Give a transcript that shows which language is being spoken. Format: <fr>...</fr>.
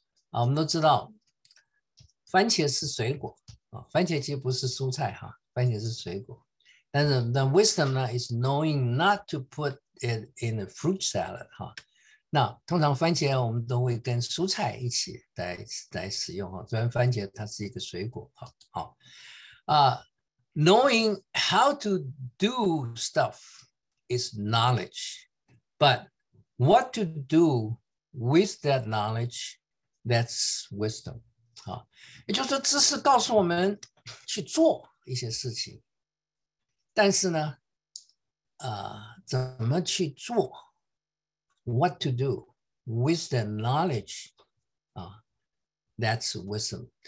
<zh>我们都知道，番茄是水果番茄其实不是蔬菜哈，番茄是水果。但是，</zh> <en>the wisdom 呢，is knowing not to put it in a fruit salad 哈。</en> <zh>那通常番茄我们都会跟蔬菜一起来使用哈，虽然番茄它是一个水果哈。</zh> <en>好，knowing how to do stuff is knowledge，but what to do with that knowledge，that's wisdom 哈。</en> <zh>也就是说，知识告诉我们去做一些事情。但是呢，怎么去做？</zh> <en>What to do with the knowledge？ That's wisdom。</en>